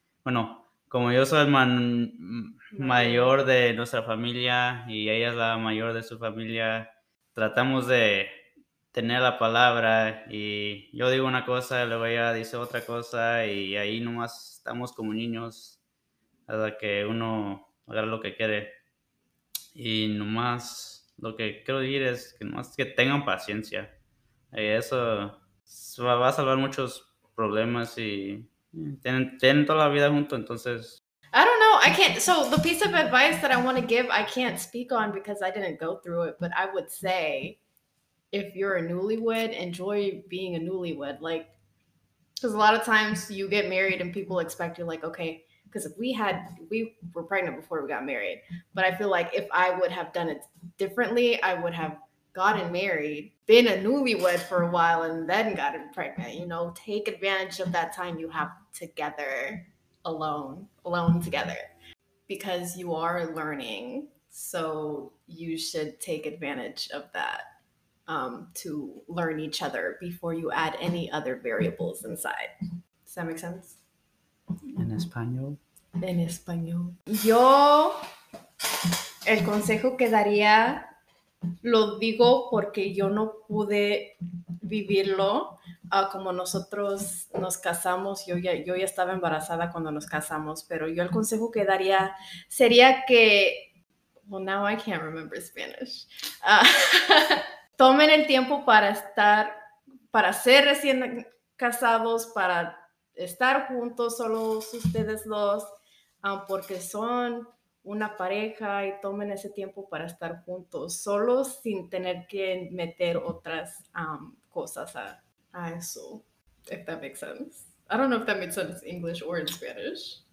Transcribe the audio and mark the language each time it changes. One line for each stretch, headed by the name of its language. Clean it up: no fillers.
Spanish: Bueno, como yo soy el mayor de nuestra familia y ella es la mayor de su familia, tratamos de tener la palabra y yo digo una cosa, luego ella dice otra cosa y ahí nomás estamos como niños hasta que uno haga lo que quiere. Y nomás lo que quiero decir es que nomás que tengan paciencia. Y eso va a salvar muchos problemas y tienen toda la vida junto, entonces...
English: I don't know. I can't. So the piece of advice that I want to give, I can't speak on because I didn't go through it. But I would say if you're a newlywed, enjoy being a newlywed. Like, because a lot of times you get married and people expect you like, okay, because if we were pregnant before we got married. But I feel like if I would have done it differently, I would have gotten married, been a newlywed for a while and then gotten pregnant. You know, take advantage of that time you have together. Alone together, because you are learning, so you should take advantage of that to learn each other before you add any other variables inside. Does that make sense?
Spanish: En español. Yo el consejo que daría lo digo porque yo no pude vivirlo. Como nosotros nos casamos, yo ya estaba embarazada cuando nos casamos, pero yo el consejo que daría sería que,
English: well, now I can't remember Spanish.
Spanish: tomen el tiempo para ser recién casados, para estar juntos solo ustedes dos, porque son una pareja y tomen ese tiempo para estar juntos solos sin tener que meter otras cosas a...
English: I so, if that makes sense. I don't know if that makes sense in English or in Spanish.